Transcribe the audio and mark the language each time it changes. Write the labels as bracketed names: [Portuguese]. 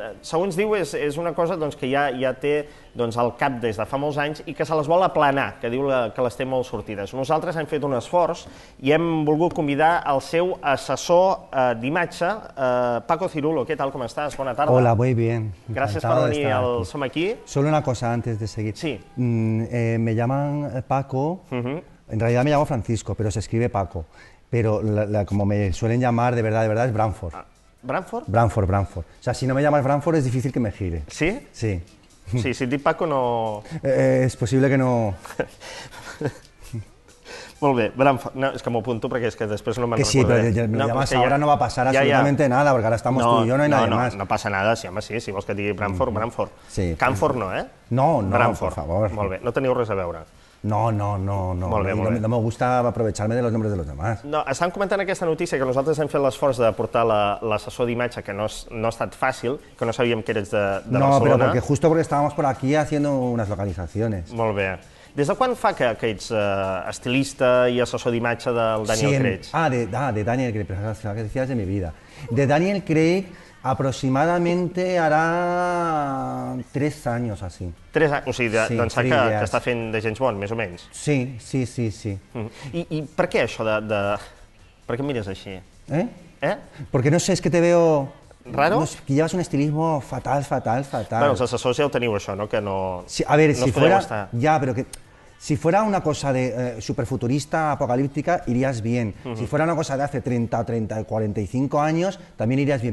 [Catalan] Segons diu, és una cosa que ja té el cap des de fa molts anys i que se les vol aplanar, que diu que les té molt sortides. Nosaltres hem fet un esforç i hem volgut convidar el seu assessor d'imatge, Paco Cirulo. Què tal, com estàs? Bona tarda. [Spanish] Hola, muy bien. [Catalan] Gràcies [Spanish] por venir al Som Aquí. Solo una cosa antes de seguir. Sí. Me llaman Paco, en realidad me llamo Francisco, pero se escribe Paco. Pero como me suelen llamar, de verdad, es Branford. ¿Branford? Branford. O sea, si no me llamas Branford es difícil que me gire. ¿Sí? Sí. [Catalan] Sí, si et dic Paco no... És possible que no... Molt bé, Branford. No, és que m'ho apunto perquè és que després no me'n recordo. Que sí, recordaré. Però me'n llames ara ja... no va passar absolutament nada, perquè ara [Spanish] estamos [Catalan] tu i jo, no hi ha [Spanish] nada más. [Catalan] No passa nada, sí, home, sí, si vols que et digui Branford. Sí. Canford no, eh? No, Branford. [Spanish] Por favor. [Catalan] Molt bé, no teniu res a veure. No. Molt bé. [Spanish] No me gusta aprovecharme de los nombres de los demás. [Catalan] No, estan comentant aquesta notícia que nosaltres hem fet l'esforç de portar l'assessor d'imatge, que no ha estat fàcil, que no sabíem que eres de Barcelona. [Spanish] No, però justo porque estábamos por aquí haciendo unas localizaciones. [Catalan] Molt bé. Des de quan fa que ets estilista i assessor d'imatge del Daniel Craig? [Spanish] De Daniel Craig, però que decías de mi vida. De Daniel Craig... aproximadamente hará 3 años así. [Catalan] 3 anys, o sigui, d'ençà que està fent de James Bond, més o menys. Sí. I per què això de... Per què mires així? [Spanish] ¿Eh? Porque no sé, es que te veo... raro? No, que llevas un estilismo fatal, fatal, fatal. Bueno, los asesores ya lo [Catalan] teniu, això, [Spanish] ¿no? Que no... Sí, a ver, no si fuera... Ya, pero que... Si fuera una cosa de superfuturista, apocalíptica, irías bien. Uh-huh. Si fuera una cosa de hace 30, 30, 45 años, también irías bien.